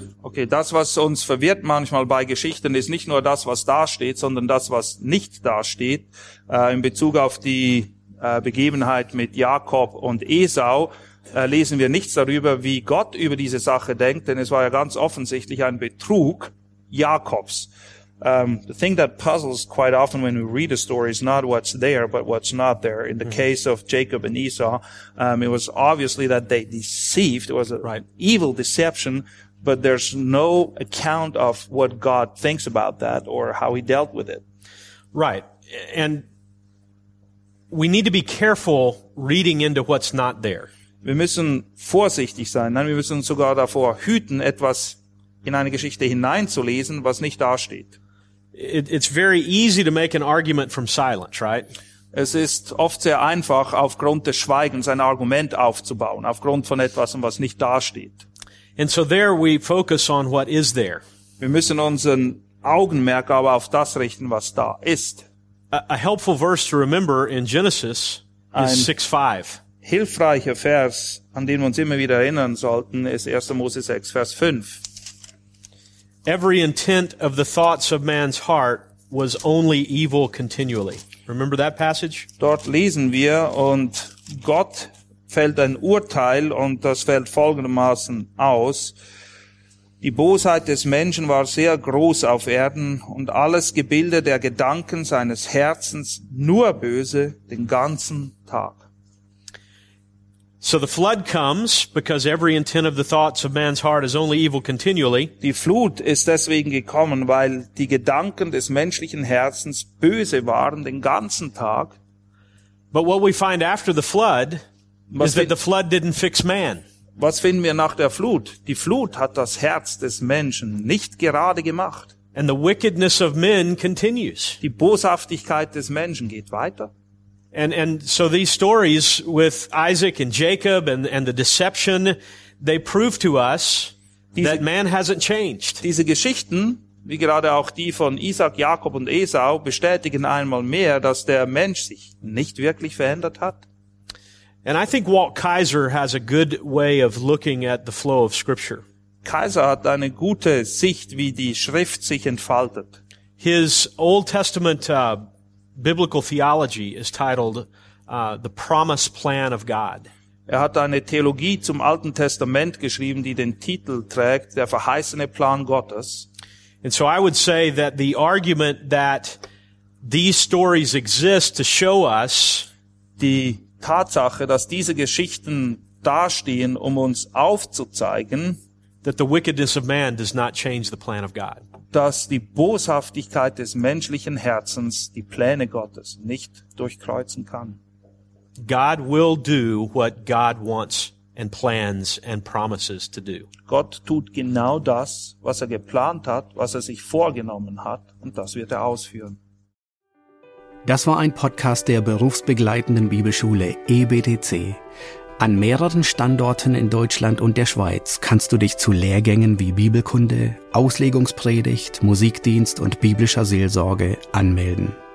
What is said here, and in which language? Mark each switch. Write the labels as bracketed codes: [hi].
[de] Okay, das, was uns verwirrt manchmal bei Geschichten, ist nicht nur das, was da steht, sondern das, was nicht da steht, in Bezug auf die Begebenheit mit Jakob und Esau. Lesen wir nichts darüber, wie Gott über diese Sache denkt, denn es war ja ganz offensichtlich ein Betrug Jakobs. [en] The thing that puzzles quite often when we read a story is not what's there, but what's not there. In the case of Jacob and Esau, it was obviously that they deceived. It was an evil deception, but there's no account of what God thinks about that or how he dealt with it. Right. And we need to be careful reading into what's not there. [de] Wir müssen vorsichtig sein. Nein, wir müssen uns sogar davor hüten, etwas in eine Geschichte hineinzulesen, was nicht dasteht. [en] It's very easy to make an argument from silence, right? [de] Es ist oft sehr einfach, aufgrund des Schweigens ein Argument aufzubauen, aufgrund von etwas, was nicht dasteht. [en] And so there we focus on what is there. [de] Wir müssen unseren Augenmerk aber auf das richten, was da ist. [en] A helpful verse to remember in Genesis is 6:5. [de] Hilfreicher Vers, an den wir uns immer wieder erinnern sollten, ist 1. Mose 6, Vers 5. [en] Every intent of the thoughts of man's heart was only evil continually. Remember that passage? [de] Dort lesen wir, und Gott fällt ein Urteil, und das fällt folgendermaßen aus. Die Bosheit des Menschen war sehr groß auf Erden, und alles Gebilde der Gedanken seines Herzens nur böse den ganzen Tag. [en] So the flood comes because every intent of the thoughts of man's heart is only evil continually. [de] Die Flut ist deswegen gekommen, weil die Gedanken des menschlichen Herzens böse waren den ganzen Tag. [en] But what we find after the flood is that the flood didn't fix man. [de] Was finden wir nach der Flut? Die Flut hat das Herz des Menschen nicht gerade gemacht. [en] And the wickedness of men continues. [de] Die Boshaftigkeit des Menschen geht weiter. [en] And so these stories with Isaac and Jacob and the deception, they prove to us that man hasn't changed. [de] Diese Geschichten, wie gerade auch die von Isaac, Jakob und Esau, bestätigen einmal mehr, dass der Mensch sich nicht wirklich verändert hat. [en] And I think Walt Kaiser has a good way of looking at the flow of Scripture. [de] Kaiser hat eine gute Sicht, wie die Schrift sich entfaltet. [en] His Old Testament biblical theology is titled The Promise Plan of God. [de] Er hat eine Theologie zum Alten Testament geschrieben, die den Titel trägt, Der verheißene Plan Gottes. [en] And so I would say that the argument that these stories exist to show us, [de] die Tatsache, dass diese Geschichten dastehen, um uns aufzuzeigen, [en] that the wickedness of man does not change the plan of God. [de] Dass die Boshaftigkeit des menschlichen Herzens die Pläne Gottes nicht durchkreuzen kann. [en] God will do what God wants and plans and promises to do. [de] Gott tut genau das, was er geplant hat, was er sich vorgenommen hat, und das wird er ausführen. Das war ein Podcast der berufsbegleitenden Bibelschule EBTC. An mehreren Standorten in Deutschland und der Schweiz kannst du dich zu Lehrgängen wie Bibelkunde, Auslegungspredigt, Musikdienst und biblischer Seelsorge anmelden.